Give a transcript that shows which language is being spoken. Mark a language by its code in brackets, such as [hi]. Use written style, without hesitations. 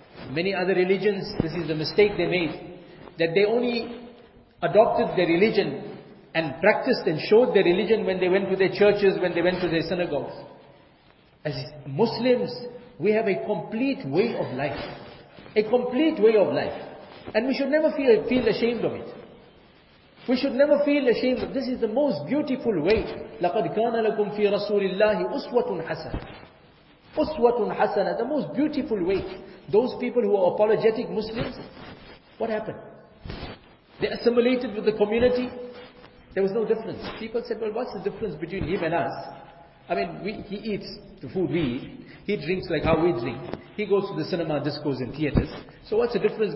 [en] Many other religions, this is the mistake they made, that they only adopted their religion and practiced and showed their religion when they went to their churches, when they went to their synagogues. As Muslims, we have a complete way of life. A complete way of life. And we should never feel ashamed of it. We should never feel ashamed. This is the most beautiful way. [ar] لَقَدْ كَانَ لَكُمْ فِي رَسُولِ اللَّهِ أُسْوَةٌ حَسَنَةٌ أُسْوَةٌ حَسَنَةٌ. [en] The most beautiful way. Those people who are apologetic Muslims, what happened? They assimilated with the community. There was no difference. People said, well, what's the difference between him and us? I mean, he eats the food we eat. He drinks like how we drink. He goes to the cinema, discos and theatres. So what's the difference?